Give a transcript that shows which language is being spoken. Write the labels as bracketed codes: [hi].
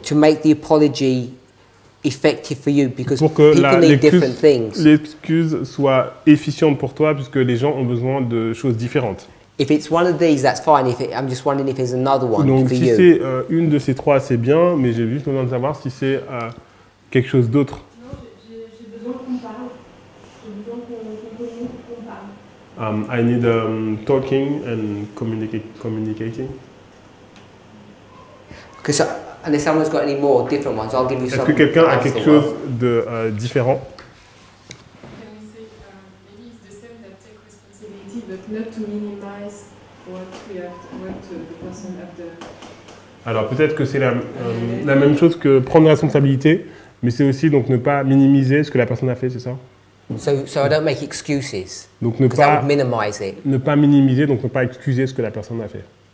[en] To make the apology effective for you, because people need different things. [fr] L'excuse soit efficiente pour toi, puisque les gens ont besoin de choses différentes. [en] If it's one of these, that's fine. I'm just wondering if it's another one. [fr] Donc, [en] for [fr] si [en] you. [fr] C'est une de ces trois, c'est bien, mais j'ai juste besoin de savoir si c'est quelque chose d'autre. Non, j'ai besoin qu'on parle. J'ai besoin qu'on parle. [en] I need talking and communicating. Because unless someone's got any more different ones, I'll give you some. [fr] Est-ce que quelqu'un a quelque chose de différent? [en] Can we say maybe it's the same that take responsibility, but not to minimize what the person has done. [fr] Alors peut-être que c'est la même chose que prendre responsabilité, mais c'est aussi donc ne pas minimiser ce que la personne a fait, c'est ça? [en] So I don't make excuses. [fr] Donc ne pas [en] minimize it. [fr] Ne pas minimiser, donc ne pas excuser ce que la personne a fait.